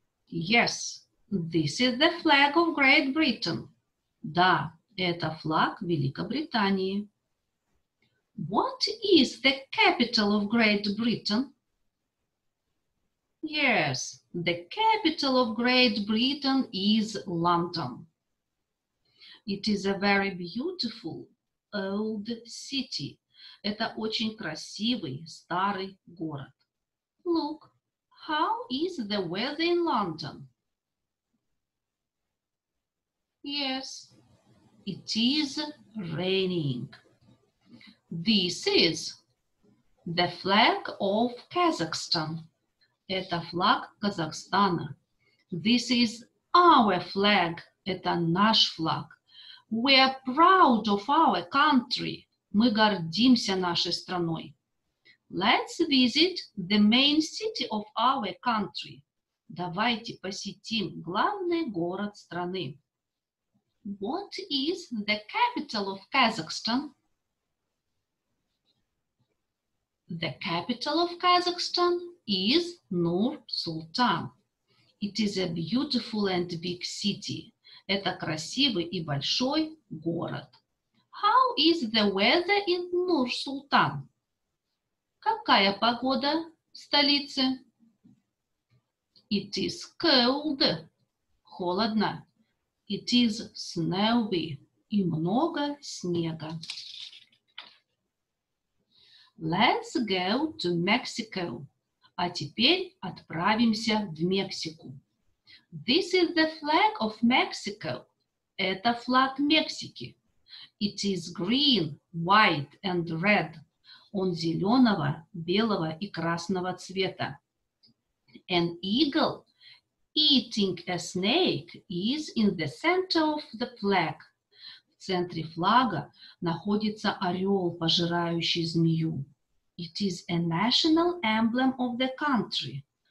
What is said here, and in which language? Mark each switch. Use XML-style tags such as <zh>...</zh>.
<en>Yes, this is the flag of Great Britain.</en> <ru>Да, это флаг Великобритании.</ru> <en>What is the capital of Great Britain? Yes, the capital of Great Britain is London. It is a very beautiful old city.</en> <ru>Это очень красивый старый город.</ru> <en>Look, how is the weather in London? Yes, it is raining. This is the flag of Kazakhstan.</en> <ru>Это флаг Казахстана.</ru> <en>This is our flag.</en> <ru>Это наш флаг.</ru> <en>We are proud of our country.</en> <ru>Мы гордимся нашей страной.</ru> <en>Let's visit the main city of our country.</en> <ru>Давайте посетим главный город страны.</ru> <en>What is the capital of Kazakhstan? The capital of Kazakhstan is Nur-Sultan. It is a beautiful and big city.</en> <ru>Это красивый и большой город.</ru> <en>How is the weather in Nur-Sultan?</en> <ru>Какая погода в столице?</ru> <en>It is cold.</en> <ru>Холодно.</ru> <en>It is snowy.</en> <ru>И много снега.</ru> <en>Let's go to Mexico.</en> <ru>А теперь отправимся в Мексику.</ru> <en>This is the flag of Mexico.</en> <ru>Это флаг Мексики.</ru> <en>It is green, white and red.</en> <ru>Он зеленого, белого и красного цвета.</ru> <en>An eagle eating a snake is in the center of the flag.</en> <ru>В центре флага находится орел, пожирающий змею.</ru> <en>It is a national emblem of the country.</en>